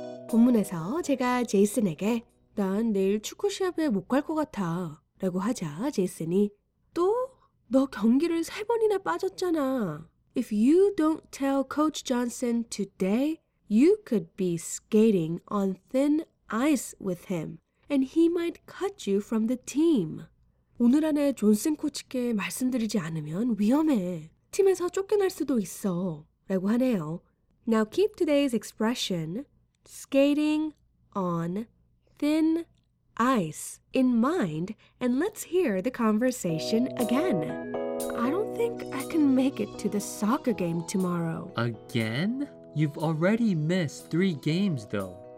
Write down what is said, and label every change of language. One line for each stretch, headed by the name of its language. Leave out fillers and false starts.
Korean: 본문에서 제가 제이슨에게 난 내일 축구 시합에 못 갈 것 같아 라고 하자 제이슨이 또? 너 경기를 세 번이나 빠졌잖아.
English: If you don't tell Coach Johnson today, you could be skating on thin ice with him and he might cut you from the team.
Korean: 오늘 안에 존슨 코치께 말씀드리지 않으면 위험해. 팀에서 쫓겨날 수도 있어 라고 하네요.
English: Now keep today's expression skating on thin ice in mind and let's hear the conversation again. I don't think I can make it to the soccer game tomorrow. Again? You've already missed 3 games though.